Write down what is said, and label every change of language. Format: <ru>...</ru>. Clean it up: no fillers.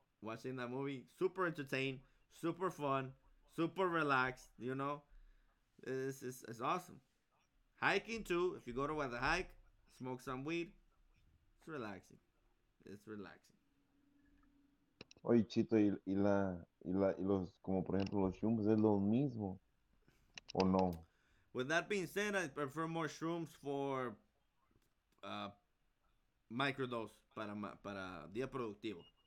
<en>Watching that movie, super entertained, super fun, super relaxed, you know? It's awesome. Hiking too, if you go to a hike, smoke some weed, it's relaxing.</en> <es>Oye, Chito, y los, como por ejemplo los shrooms, ¿es lo mismo? ¿O no?</es> <en>With that being said, I prefer more shrooms for microdose</en> <es>para día productivo.</es>